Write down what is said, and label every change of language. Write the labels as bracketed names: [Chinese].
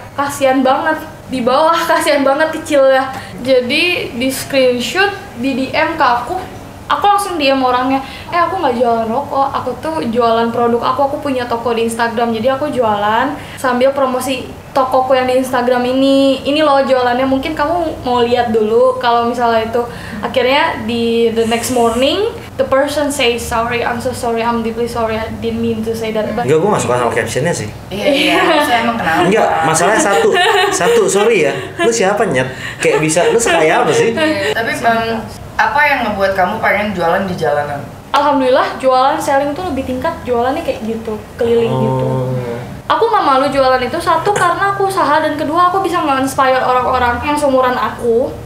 [Indonesian] Kasian banget di bawah, kasian banget kecil ya. Jadi di screenshot, di DM ke aku langsung DM orangnya. Eh aku nggak jualan rokok. Aku tuh jualan produk aku. Aku punya toko di Instagram. Jadi aku jualan sambil promosi tokoku yang di Instagram ini. Ini loh jualannya. Mungkin kamu mau lihat dulu. Kalau misalnya itu akhirnya di [English] the next morning. The person say sorry, I'm so sorry, I'm deeply sorry, I didn't mean to say that. [Indonesian] Enggak, gue gak suka sama captionnya sih. Iya, saya emang kenal. Enggak, masalahnya satu, [English] sorry [Indonesian] ya. Lu siapa nyet? Kayak bisa, lu sekaya apa sih? Tapi bang, apa yang ngebuat kamu pengen jualan di jalanan? Alhamdulillah, jualan selling tuh lebih tingkat, jualannya kayak gitu, keliling gitu. Aku gak malu jualan itu, satu karena aku usaha, dan kedua aku bisa nge-inspire orang-orang yang seumuran aku.